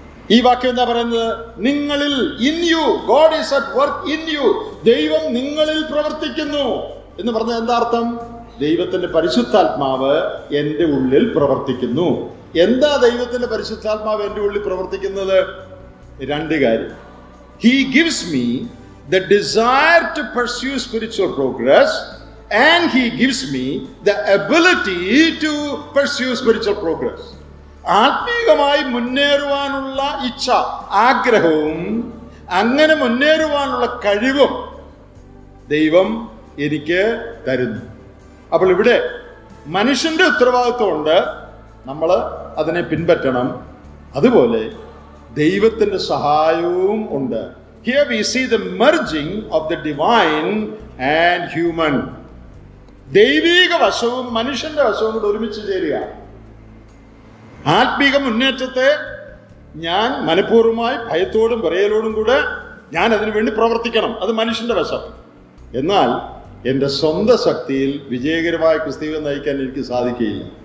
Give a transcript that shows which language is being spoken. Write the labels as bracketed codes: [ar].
[ml] ഈ വാക്യം എന്താ പറയുന്നത്? നിങ്ങളിൽ, [en] in you, God is at work in you, [ml] ദൈവം നിങ്ങളിൽ പ്രവർത്തിക്കുന്നു എന്ന് പറഞ്ഞാൽ എന്താ അർത്ഥം? ദൈവത്തിന്റെ പരിശുദ്ധാത്മാവ് എന്റെ ഉള്ളിൽ പ്രവർത്തിക്കുന്നു. എന്താ ദൈവത്തിന്റെ പരിശുദ്ധാത്മാവ് എന്റെ ഉള്ളിൽ പ്രവർത്തിക്കുന്നത്? രണ്ട് കാര്യം. [en] He gives me the desire to pursue spiritual progress and he gives me the ability to pursue spiritual progress. [ml] ആത്മീകമായി മുന്നേറുവാനുള്ള ഇച്ഛ ആഗ്രഹവും അങ്ങനെ മുന്നേറുവാനുള്ള കഴിവും ദൈവം എനിക്ക് തരുന്നു. അപ്പോൾ ഇവിടെ മനുഷ്യൻ്റെ ഉത്തരവാദിത്വം ഉണ്ട്, നമ്മൾ അതിനെ പിൻപറ്റണം. അതുപോലെ ദൈവത്തിൻ്റെ സഹായവും ഉണ്ട്. [en] Here we see the merging of the divine and human. [ml] ദൈവിക വശവും മനുഷ്യൻ്റെ വശവും കൂടെ ഒരുമിച്ച് ചേരുക. ആത്മീക മുന്നേറ്റത്തെ ഞാൻ മനഃപൂർവ്വമായി ഭയത്തോടും വിറയലോടും കൂടെ ഞാൻ അതിനു വേണ്ടി പ്രവർത്തിക്കണം. അത് മനുഷ്യൻ്റെ വശം. എന്നാൽ എൻ്റെ സ്വന്തം ശക്തിയിൽ വിജയകരമായ ക്രിസ്തീയം നയിക്കാൻ എനിക്ക് സാധിക്കുകയില്ല.